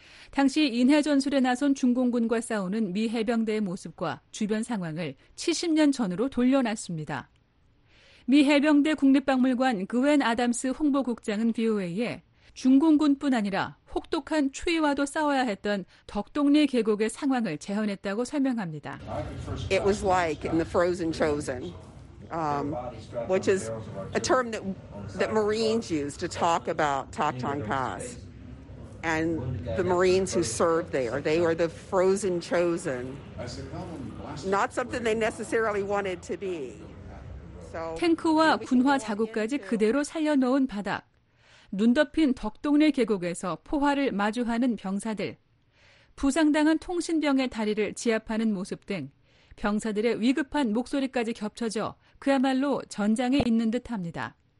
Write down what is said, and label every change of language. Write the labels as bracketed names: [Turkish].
[Korean] 당시 인해전술에 나선 중공군과 싸우는 미 해병대의 모습과 주변 상황을 70년 전으로 돌려놨습니다. 미 해병대 국립박물관 그웬 아담스 홍보국장은 VOA에 중공군뿐 아니라 혹독한 추위와도 싸워야 했던 덕동리 계곡의 상황을 재현했다고 설명합니다. [English] It was like in the frozen chosen, which is a term that Marines use to talk about Toktong Pass. And the Marines who served there, they were the frozen chosen. Not something they necessarily wanted to be. [Korean] 탱크와 군화 자국까지 그대로 살려놓은 바닥. 눈 덮인 덕동리 계곡에서 포화를 마주하는 병사들, 부상당한 통신병의 다리를 지압하는 모습 등 병사들의 위급한 목소리까지 겹쳐져 그야말로 전장에 있는 듯합니다.